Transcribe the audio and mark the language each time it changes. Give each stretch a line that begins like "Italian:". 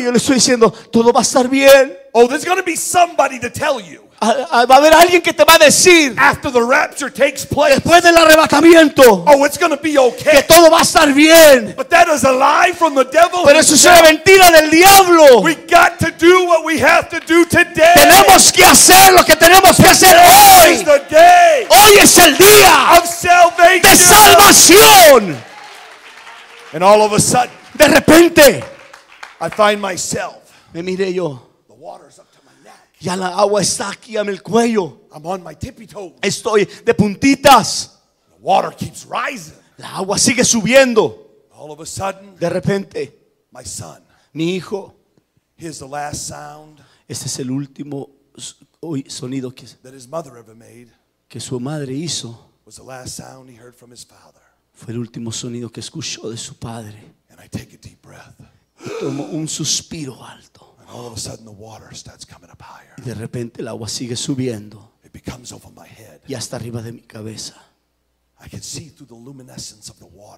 Spanish: Yo le estoy diciendo, todo va a estar bien.
English: Oh, there's gonna be somebody to tell you.
Spanish: Va a haber alguien que te va a decir.
English: After the rapture takes place.
Spanish: Después del arrebatamiento.
English: Oh, it's gonna be okay.
Spanish: Que todo va a estar bien.
English: But that is a lie from the devil.
Spanish: Pero eso es una mentira del diablo.
English: We got to do what we have to do today.
Spanish: Tenemos que hacer lo que tenemos que hacer hoy.
English: Is the day.
Spanish: Hoy es el día.
English: Of salvation.
Spanish: De salvación.
English: And all of a sudden.
Spanish: De repente.
English: I find myself.
Spanish: Me miré yo.
English: The waters.
Spanish: Ya la agua está aquí a mi cuello.
English: I'm on my tippy toes.
Spanish: Estoy de puntitas.
English: The water keeps rising.
Spanish: La agua sigue subiendo.
English: All of a sudden,
Spanish: de repente,
English: my son,
Spanish: mi hijo,
English: here's the last sound.
Spanish: Este es el último sonido que,
English: that his mother ever made,
Spanish: que su madre hizo.
English: Was the last sound he heard from his father.
Spanish: Fue el último sonido que escuchó de su padre.
English: And I take a deep breath.
Spanish: Y tomo un suspiro alto.
English: All of a sudden, the water starts coming up higher.
Spanish: Y de repente, el agua sigue subiendo.
English: It becomes over my head.
Spanish: Y hasta arriba de mi cabeza.
English: I can see through the luminescence of the water.